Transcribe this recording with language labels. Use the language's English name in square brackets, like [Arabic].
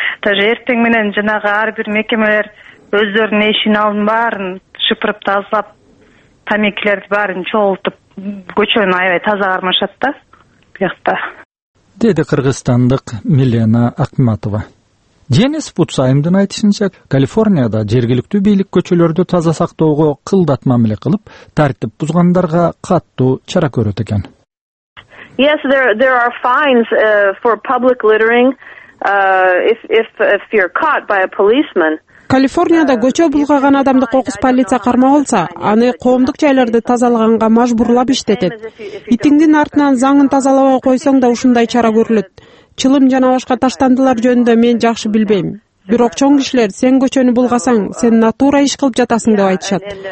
[Kyrgyz] Даже эртең менен жанагы ар бир мекемелер өздөрүнүн эшиктин алдын баарын шыпырып тазалап, тамекилерди баарын чогултуп, көчөнү аябай таза кармашат да биякта, деди кыргызстандык Милена Акматова. Денис Путсайымдын айтышынча, Калифорнияда жергиликтүү бийлик көчөлөрдү таза сактоого кылдат мамиле кылып, тартип бузгандарга каттуу чара көрөт экен. [English] Yes, there are fines for public littering if you're caught by a policeman. [Kyrgyz] Калифорнияда көчө булгаган адамды кокус полиция кармап алса, аны коомдук жайларды тазалаганга мажбурлап иштетет. Итиңдин артынан заңын тазалабай койсоң да ушундай чара көрүлөт. Чылым жана башка таштандылар жөнүндө мен жакшы билбейм. Бирок чоң кишилер, сен көчөнү булгасаң, сен натура иш кылып жатасың деп айтышат.